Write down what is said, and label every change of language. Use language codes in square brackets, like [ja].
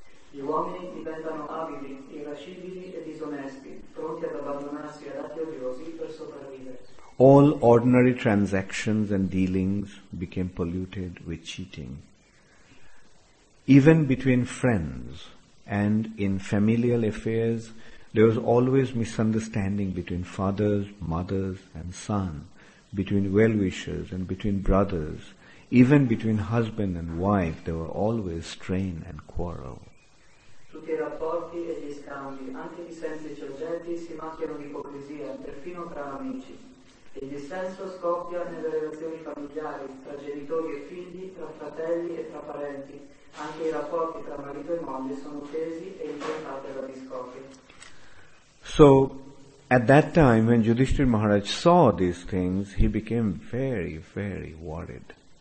[it] Gli uomini diventano avidi, irascibili e disonesti, pronti ad abbandonarsi ad atti odiosi per sopravvivere. [en] All ordinary transactions and dealings became polluted with cheating. Even between friends and in familial affairs, there was always misunderstanding between fathers, mothers and son, between well-wishers and between brothers. Even between husband and wife, there were always strain and quarrel. [it] Tutti i rapporti e gli scambi, anche di semplici oggetti, si macchiano di ipocrisia, perfino tra amici. E il dissenso scoppia nelle relazioni familiari, tra genitori e figli, tra fratelli e tra parenti. Anche i rapporti tra marito e moglie sono tesi e improntati alla discordia. [en] So, At that time, when Yudhishthira Maharaj saw these things, he became very, very worried.